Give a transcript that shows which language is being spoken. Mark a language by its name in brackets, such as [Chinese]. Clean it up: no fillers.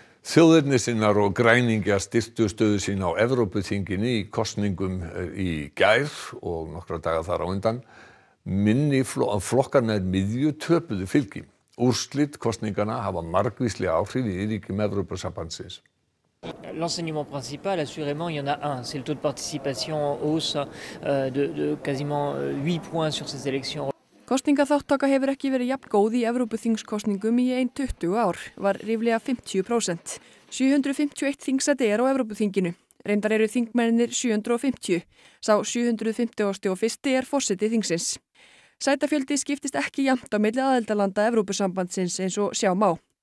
[Icelandic] Þjóðernissinnar og græningja styrktu stöðu sína á Evrópuþinginu í kosningum í gær og nokkra daga þar á undan. Minni flokkarnir miðju töpuðu fylgi. Úrslit kosninganna hafa margvísli áhrif í ríkjum Evrópusambandsins. [French] L'enseignement principal assurément il y en a un, c'est le taux de participation hausse de quasiment 8 points sur ces élections. [Icelandic] Kosningaþáttaka hefur ekki verið jafn góð í Evrópuþingskosningum í ein 20 ár, var ríflega 50%. 751 þingsæti á Evrópuþinginu. Reyndar eru þingmennirnir 750. Sá 751. Er forseti þingsins. Sætafjöldi skiptist ekki jafnt á milli aðildarlanda Evrópusambandsins eins og sjá má.